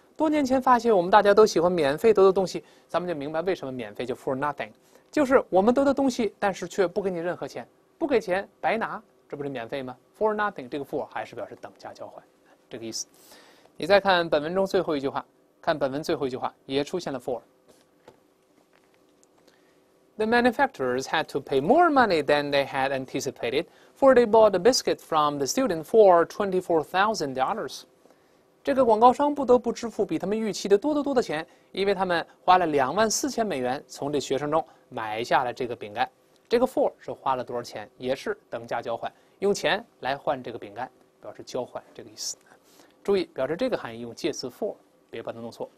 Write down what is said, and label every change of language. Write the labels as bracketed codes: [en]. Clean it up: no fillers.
[zh] 多年前发现我们大家都喜欢免费得的东西，咱们就明白为什么免费就 for nothing， 就是我们得的东西，但是却不给你任何钱，不给钱白拿，这不是免费吗？ for nothing 这个 for 还是表示等价交换，这个意思。你再看本文中最后一句话，看本文最后一句话也出现了 for。 [en] The manufacturers had to pay more money than they had anticipated, for they bought a biscuit from the student for $24,000. [zh] 这个广告商不得不支付比他们预期的多得多的钱，因为他们花了$24,000从这学生中买下了这个饼干。这个 for 是花了多少钱，也是等价交换，用钱来换这个饼干，表示交换这个意思。注意，表示这个含义用介词 for， 别把它弄错。